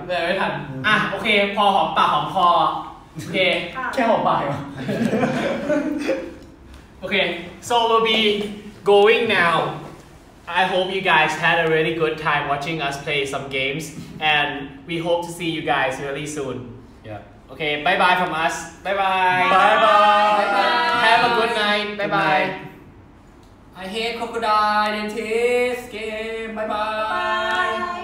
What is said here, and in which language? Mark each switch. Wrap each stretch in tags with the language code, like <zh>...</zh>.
<th>แต่ไม่ทัน อ่ะ โอเค พอหอมปากหอมคอ แค่หอมปาก</th> <en>โอเค so we'll be going now I hope you guys had a really good time watching us play some games and we hope to see you guys really soon yeah</en> <th>โอเคบายบาย</th> <en>from us</en> <th>บายบาย บายบาย</th> <en>Have a good night</en> <th>บายบาย</th> <en>I hate crocodile dentist game</en> <th>บายบาย</th>